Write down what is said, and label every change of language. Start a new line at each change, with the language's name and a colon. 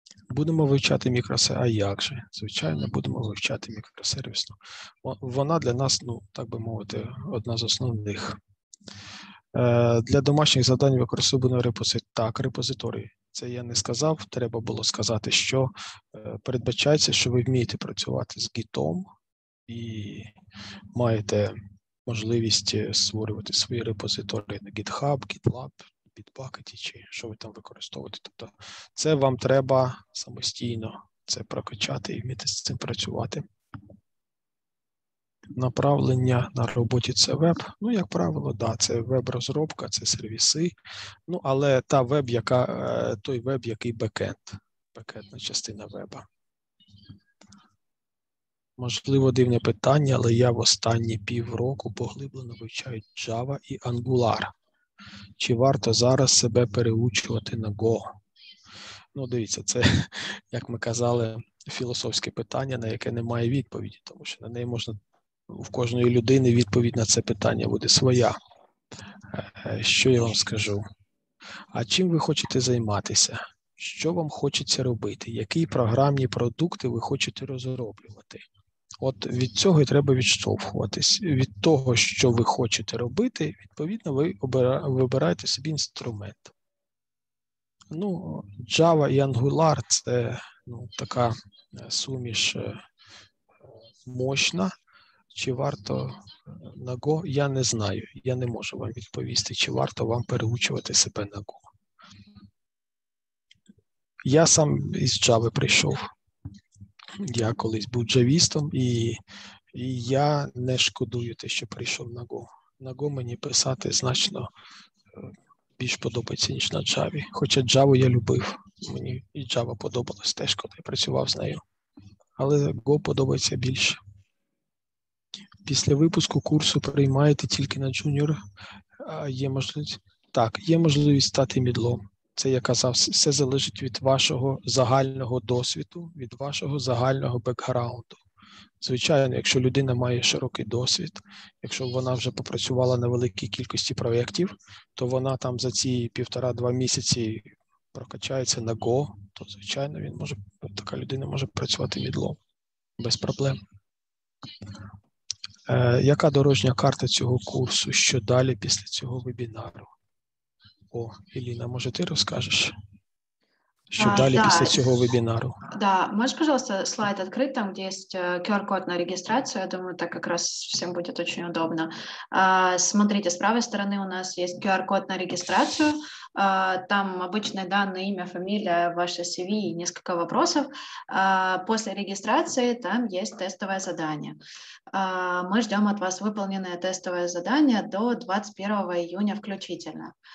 Ukrainian: Будемо вивчати мікросервіс. А як же? Звичайно, будемо вивчати мікросервісну. Вона для нас, ну, так би мовити, одна з основних. Для домашніх завдань використовуємо репозиторії. Так, репозиторії. Це я не сказав. Треба було сказати, що передбачається, що ви вмієте працювати з гітом і маєте можливість створювати свої репозиторії на GitHub, GitLab, Bitbucket, чи що ви там використовуєте. Тобто це вам треба самостійно це прокачати і вміти з цим працювати. Направлення на роботі – це веб. Ну, як правило, да, це веб-розробка, це сервіси. Ну, але та веб, яка, той веб, який бекенд, бекендна частина веба. Можливо, дивне питання, але я в останні півроку поглиблено вивчаю Java і Angular. Чи варто зараз себе переучувати на Go? Ну, дивіться, це, як ми казали, філософське питання, на яке немає відповіді, тому що на неї можна, в кожної людини відповідь на це питання буде своя. Що я вам скажу? А чим ви хочете займатися? Що вам хочеться робити? Які програмні продукти ви хочете розроблювати? От від цього і треба відштовхуватись. Від того, що ви хочете робити, відповідно, ви вибираєте собі інструмент. Ну, Java і Angular – це, ну, така суміш мощна. Чи варто на Go? Я не знаю. Я не можу вам відповісти, чи варто вам переучувати себе на Go. Я сам із Java прийшов. Я колись був джавістом, і я не шкодую те, що прийшов на Go. На Go мені писати значно більш подобається, ніж на Java. Хоча Java я любив, мені і Java подобалось теж, коли я працював з нею. Але Go подобається більше. Після випуску курсу приймаєте тільки на джуніор? Є можливість? Так, є можливість стати мідлом. Це, я казав, все залежить від вашого загального досвіду, від вашого загального бекграунду. Звичайно, якщо людина має широкий досвід, якщо вона вже попрацювала на великій кількості проєктів, то вона там за ці півтора-два місяці прокачається на Go, то, звичайно, така людина може працювати мідлом. Без проблем. Яка дорожня карта цього курсу? Що далі після цього вебінару? О, Еліна, може ти розкажеш? Що далі після цього вебінару? Да, можеш, пожалуйста, слайд відкрити, там, де є QR-код на реєстрацію, я думаю, так якраз всім буде дуже удобно.
Russian: Смотрите, з правої сторони у нас є QR-код на реєстрацію, там обычные данные, имя, фамилия, ваше CV и несколько вопросов. После регистрации там есть тестовое задание. Мы ждем от вас выполненное тестовое задание до 21 июня включительно.